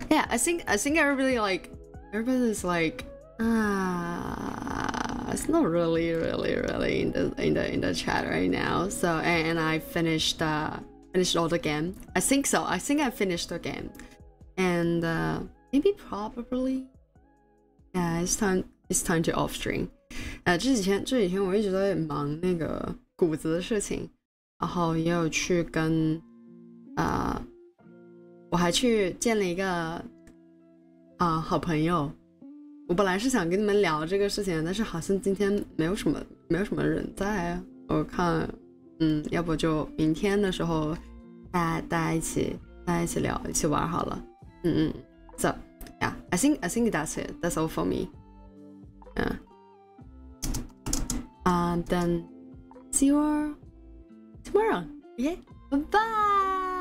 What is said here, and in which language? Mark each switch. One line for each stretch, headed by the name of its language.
English: I think everybody like everybody's like it's not really really really in the chat right now. So and I finished all the game. I finished the game. And maybe probably yeah, it's time to off stream.
Chinese: 这几天我一直在忙那个谷子的事情，然后也有去跟我还去见了一个好朋友。我本来是想跟你们聊这个事情，但是好像今天没有什么人在，我看要不就明天的时候大家一起聊，一起玩好了。
English: So yeah, I think that's it. That's all for me. Yeah. Then see you tomorrow. Yeah. Bye bye.